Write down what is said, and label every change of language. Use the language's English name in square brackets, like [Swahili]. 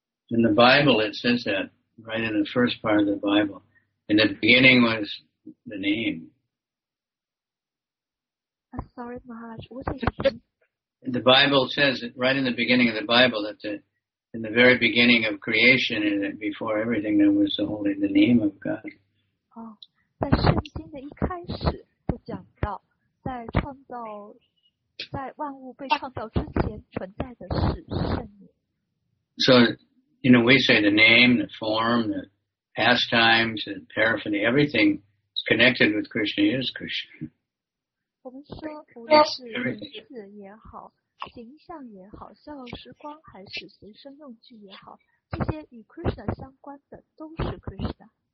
[English] In the Bible, it says that right in the first part of the Bible, in the beginning was the name. Sorry, Maharaj, what is it? The Bible says that right in the beginning of the Bible that in the very beginning of creation and before everything there was only the name of God. Oh. [Chinese] 在圣经的一开始就讲到，在创造，在万物被创造之前存在的是圣灵。 [English] So, you know, we say the name, the form, the pastimes, the paraphernalia, everything connected with Krishna is Krishna. [Chinese] 我们说，无论是名字也好，形象也好，逍遥时光还是随身用具也好，这些与 Krishna 相关的都是 Krishna。